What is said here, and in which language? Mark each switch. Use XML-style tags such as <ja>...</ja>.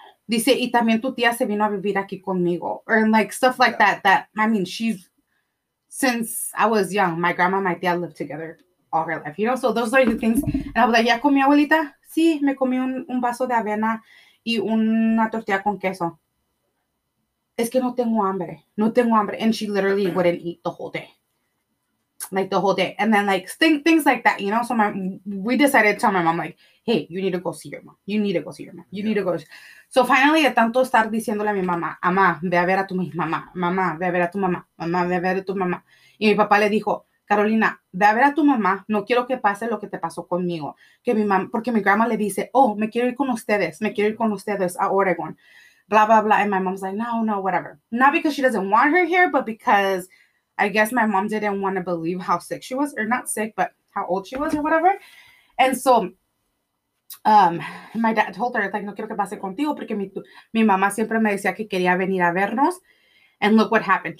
<es>Dice, y también tu tía se vino a vivir aquí conmigo.</es> <en>Or, like, stuff like that. I mean, she's, since I was young, my grandma and my tía lived together all her life, you know? So those are the things. And I was like,</en> <es>¿ya comí, abuelita? Sí, me comí un vaso de avena y una tortilla con queso. Es que no tengo hambre. No tengo hambre.</es> <en>And she literally wouldn't eat the whole day. Like, the whole day. And then, like, things like that, you know? So we decided to tell my mom, like, hey, you need to go see your mom. You need to go see your mom. So finally,</en> <es>de tanto estar diciéndole a mi mamá, mamá, ve a ver a tu mamá, mamá, ve a ver a tu mamá, mamá, ve a ver a tu mamá. Y mi papá le dijo, Carolina, ve a ver a tu mamá, no quiero que pase lo que te pasó conmigo. Que mi mamá, porque mi grandma le dice, oh, me quiero ir con ustedes, a Oregon.</es> <en>Blah, blah, blah. And my mom's like, no, whatever. Not because she doesn't want her here, but because I guess my mom didn't want to believe how sick she was, or not sick, but how old she was or whatever. And so, my dad told her, like,</en> <es>no quiero que pase contigo porque mi mamá siempre me decía que quería venir a vernos,</es> <en>and look what happened.</en>